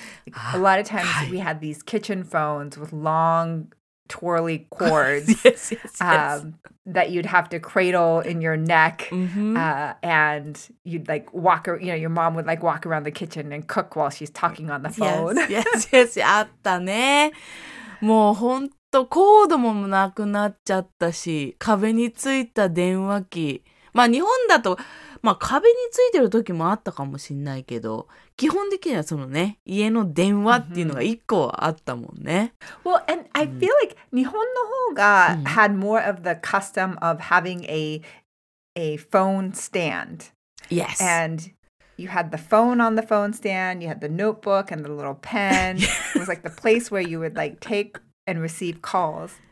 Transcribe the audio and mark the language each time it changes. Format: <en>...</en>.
<en>Like, a lot of times we had these kitchen phones with long twirly cords that you'd have to cradle in your neck and you'd like walk, you know, your mom would like walk around the kitchen and cook while she's talking on the phone. Yes.</en> <ja>あったね。もう本当コードもなくなっちゃったし、壁についた電話機、まあ日本だと、まあ壁についてる時もあったかもしれないけど、基本的にはそのね、家の電話っていうのが一個はあったもんね。</ja> <en>Well, and I feel like</en> <ja>日本の方が</ja> <en>had more of the custom of having a phone stand. Yes. AndYou had the phone on the phone stand, you had the notebook and the little pen. It was like the place where you would like take and receive calls.</en>